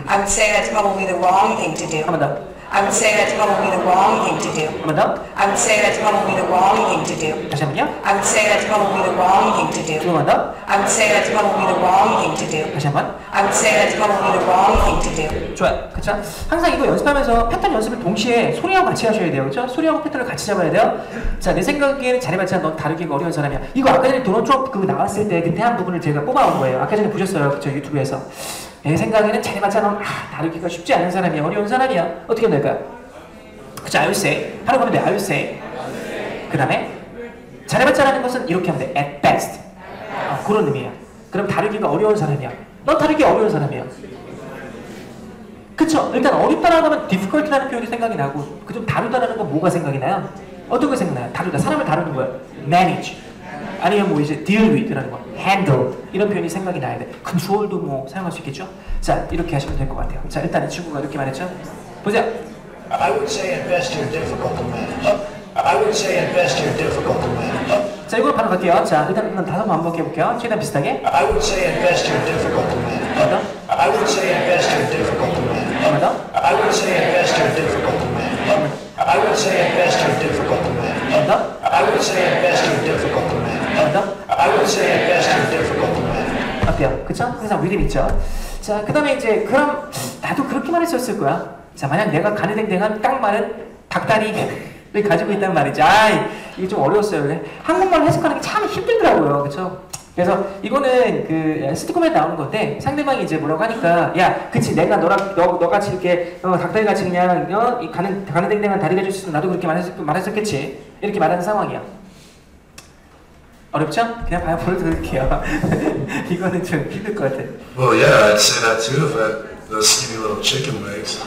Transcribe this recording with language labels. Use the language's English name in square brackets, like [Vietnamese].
[Korean] 볼게요. [English] I would say that's probably the wrong thing to do. [Korean] 한 번 더. [English] I would say that's probably the wrong thing to do. [Korean] 한 번 더. [English] I would say that's probably the wrong thing to do. [Korean] 다시 한 번요. [English] I would say that's probably the wrong thing to do. [Korean] 두 번 더. [English] I would say that's probably the wrong thing to do. [Korean] 다시 한 번. [English] I would say that's probably the wrong thing to do. [Korean] 좋아요. 그쵸? 항상 이거 연습하면서 패턴 연습을 동시에 소리하고 같이 하셔야 돼요. 그쵸? 소리하고 패턴을 같이 잡아야 돼요. 자, 내 생각에는 자리 맞춰 너 다루기 어려운 사람이야. 이거 아까 전에 도넛 트럼프 그거 나왔을 때 그때 한 부분을 제가 뽑아온 거예요. 아까 전에 보셨어요. 그쵸? 유튜브에서. 내 생각에는 자리 맞춰 넌 다루기가 쉽지 않은 사람이야. 어려운 사람이야. 어떻게 하면 될까요? 그쵸? [English] I would say. [Korean] 하라고 하면 돼요. I would say. 그 다음에 자리 맞춰 라는 것은 이렇게 하면 돼. [English] At best. [Korean] 아, 그런 의미야. 그럼 다루기가 어려운 사람이야. 넌 다루기 어려운 사람이야. 그쵸? 일단 어렵다라고 하면 difficult라는 표현이 생각이 나고 그 좀 다루다라는 건 뭐가 생각이 나요? 어떤 거 생각나요? 다루다. 사람을 다루는 거야. manage. 아니면 뭐 이제 deal with라는 거. handle. 이런 표현이 생각이 나야 돼. control도 뭐 사용할 수 있겠죠? 자, 이렇게 하시면 될 것 같아요. 자, 일단 이 친구가 이렇게 말했죠? 보세요. [English] I would say at best you're difficult to manage. I would say at best you're difficult to manage. [Korean] 자, 이걸 바로 갈게요. 자, 일단 다섯 번 반복해 볼게요. 최대한 비슷하게. I would say at best you're difficult to manage. 한 번 더. I would say at best you're difficult to manage. 한 번 더. I would say at best you're difficult to manage. 한 번 더. I would say at best you're difficult to manage. 한 번 더. I would say at best you're difficult to manage. 한 번 더. I would say at best you're difficult to manage. 어때요? 그쵸? 항상 리듬 있죠? 자, 그 다음에 이제 그럼 나도 그렇게만 했었을 거야. 자, 만약 내가 가느댕댕한 깡마른 닭다리 가지고 있다는 말이죠. 아이, 이게 좀 어려웠어요. 근데 한국말 해석하는 게 참 힘들더라고요. 그쵸? 그래서 이거는 그 시트콤에 나온 건데 상대방이 이제 뭐라고 하니까 야, 그치, 내가 너랑 너 같이 이렇게 닭다리 같이 그냥 가느댕댕한 다리 가질 수 있으면 나도 그렇게 말했었겠지. 이렇게 말하는 상황이야. 어렵죠? 그냥 바로 불러드릴게요. 이거는 좀 힘들 것 같아. [English] Well, yeah, I'd say that too if I had those skinny little chicken legs.